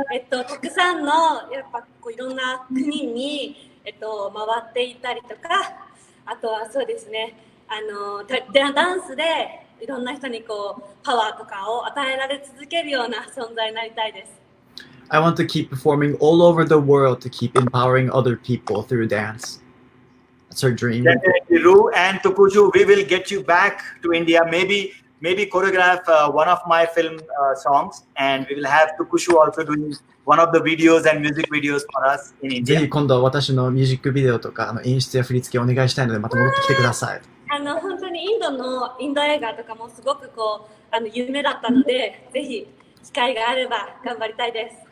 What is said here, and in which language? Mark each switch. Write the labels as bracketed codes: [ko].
[ja] たくさんのやっぱこういろんな国に回っていたりとか、あとはそうですね、ダンスでいろんな人にこうパワーとかを与えられ続けるような存在になりたいです。 [en] I want to keep performing all over the world to keep empowering other people through dance. That's her dream. Definitely, Ru and Tukuju, we will get you back to India. Maybe choreograph one of my film songs, and we will have Tukuju also doing one of the videos and music videos for us in [ja] ぜ [en] India. [ja] ひ今度は私のミュージックビデオとか演出や振り付けをお願いしたいので、また戻ってきてください。本当にインド映画とかもすごくこう有名だったので、ぜひ機会があれば頑張りたいです。